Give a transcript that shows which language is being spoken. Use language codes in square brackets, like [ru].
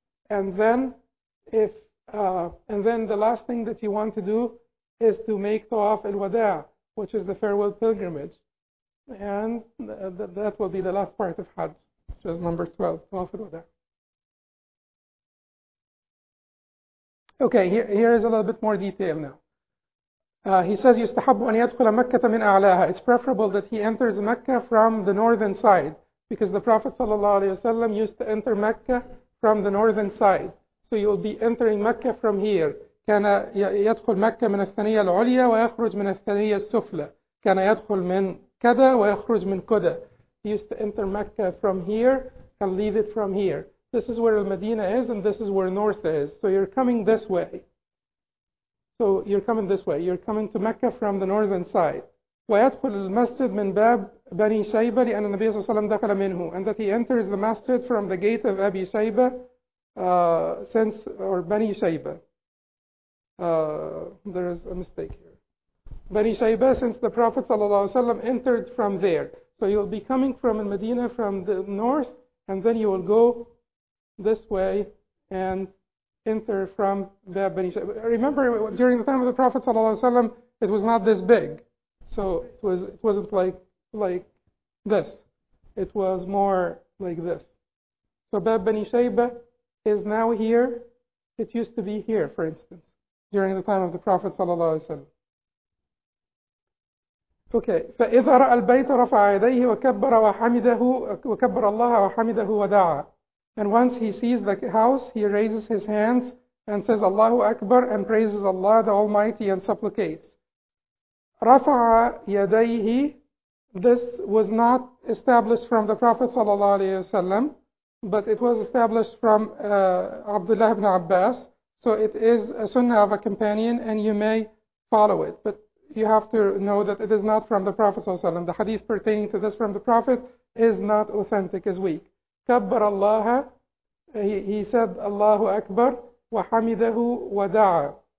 [en] And then the last thing that you want to do is to make tawaf al-wada', which is the farewell pilgrimage. And that will be the last part of Hajj, which is number 12, tawaf al-wada'. Okay, here is a little bit more detail now. He says, [ar] يستحب أن يدخل مكة من أعلاها. [en] It's preferable that he enters Mecca from the northern side, because the Prophet ﷺ used to enter Mecca from the northern side. So you will be entering Mecca from here. [ar] كان يدخل مكة من الثنية العليا ويخرج من الثنية السفلى. كان يدخل من كدا ويخرج من كدا. [en] He used to enter Mecca from here and leave it from here. This is where Al-Madina is and this is where north is. So you're coming this way. So you're coming this way. You're coming to Mecca from the northern side. [ar] ويدخل المسجد من باب بني شيبة لأن النبي صلى الله عليه وسلم دخل منه, [en] and that he enters the masjid from the gate of Abi Shayba, since or Bani Shayba. There is a mistake here. Bani Shayba, since the Prophet صلى الله عليه وسلم entered from there. So you'll be coming from Medina from the north, and then you will go this way and enter from Bab Bani Shayba. Remember, during the time of the Prophet صلى الله عليه وسلم, it was not this big. So it wasn't like this. It was more like this. So Bab Bani Shayba is now here. It used to be here, for instance, during the time of the Prophet sallallahu alaihi wasallam. Okay. [ar] فإذا رأى البيت رفع يديه وكبر وحمده وكبر الله وحمده ودعا. [en] And once he sees the house, he raises his hands and says Allahu Akbar and praises Allah the Almighty and supplicates. [ar] رفع يديه, [en] this was not established from the Prophet صلى الله عليه وسلم, but it was established from Abdullah ibn Abbas. So it is a sunnah of a companion and you may follow it. But you have to know that it is not from the Prophet صلى الله عليه وسلم. The hadith pertaining to this from the Prophet is not authentic, is weak. [ar] كبر الله, [en] he said [ar] الله أكبر وحمده ودعا.